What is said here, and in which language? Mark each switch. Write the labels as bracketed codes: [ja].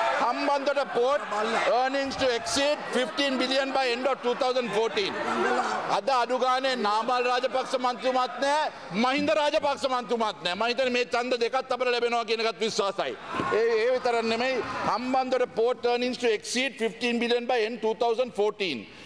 [en] Hambantota port earnings to exceed 15 billion by end of 2014. [si] අද අඩුගානේ නාමල් රාජපක්ෂ මන්තුමත් නැහැ, මහින්ද රාජපක්ෂ මන්තුමත් නැහැ. මම හිතන්නේ මේ ඡන්ද දෙකත් අපිට ලැබෙනවා කියන එකත් විශ්වාසයි. ඒ විතරක් නෙමෙයි, [en] Hambantota port earnings to exceed 15 billion by end 2014.